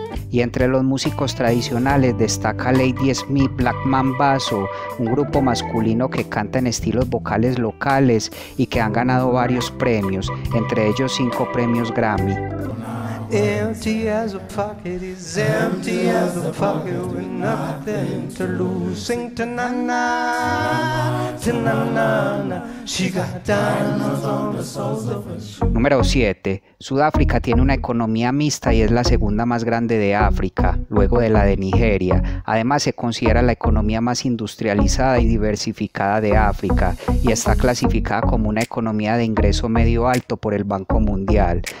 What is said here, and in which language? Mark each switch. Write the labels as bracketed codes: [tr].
[es] Y entre los músicos tradicionales destaca Lady Smith Black Mambazo, un grupo masculino que canta en estilos vocales locales y que han ganado varios premios, entre ellos 5 premios Grammy. [en] Empty as a pocket is empty as a pocket with nothing to lose. Sing ta-na-na, ta-na-na-na. She got diamonds on the soles of her shoes. [es] Número 7. Sudáfrica tiene una economía mixta y es la segunda más grande de África, luego de la de Nigeria. Además, se considera la economía más industrializada y diversificada de África y está clasificada como una economía de ingreso medio-alto por el Banco Mundial.